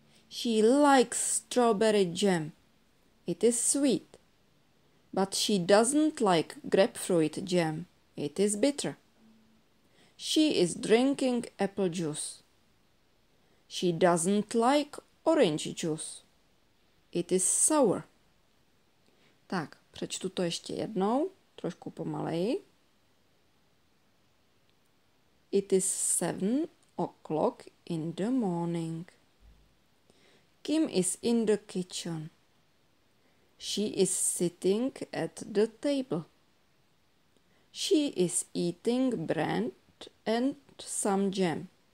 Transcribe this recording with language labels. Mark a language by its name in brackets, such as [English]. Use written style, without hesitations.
[English] She likes strawberry jam. It is sweet. But she doesn't like grapefruit jam. It is bitter. She is drinking apple juice. She doesn't like orange juice. It is sour. [Czech] Tak, přečtu to ještě jednou, trošku pomaleji. [English] It is 7 o'clock in the morning. Kim is in the kitchen. She is sitting at the table. She is eating bread and some jam.